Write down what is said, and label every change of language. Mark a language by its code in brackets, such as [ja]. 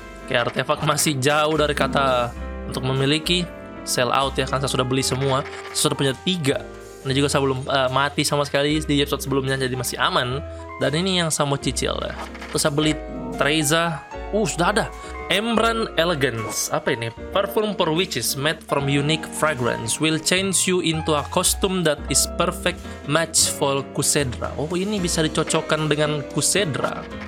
[id] Kayak artefak masih jauh dari kata untuk memiliki. Sell out ya, kan saya sudah beli semua. Saya sudah punya 3. Dan juga saya belum mati sama sekali di episode sebelumnya, jadi masih aman. Dan ini yang saya mau cicil ya. Terus saya beli Treza. Sudah ada Embran Elegance. Apa ini? [en] Perfume for witches made from unique fragrance will change you into a costume that is perfect match for Kusedra. [id] Oh, ini bisa dicocokkan dengan Kusedra.